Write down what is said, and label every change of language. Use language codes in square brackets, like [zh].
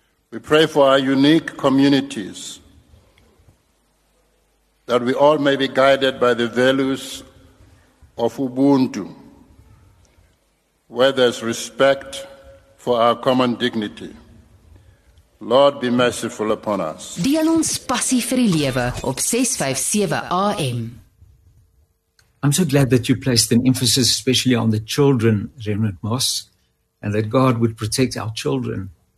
[en] We pray for our unique communities, that we all may be guided by the values of Ubuntu, where there's respect for our common dignity. Lord, be merciful upon us. [af] Deel ons passie vir die lewe op 657 AM. [en] I'm so glad that you placed an emphasis especially on the children, Reverend Moss, and that God would protect our children.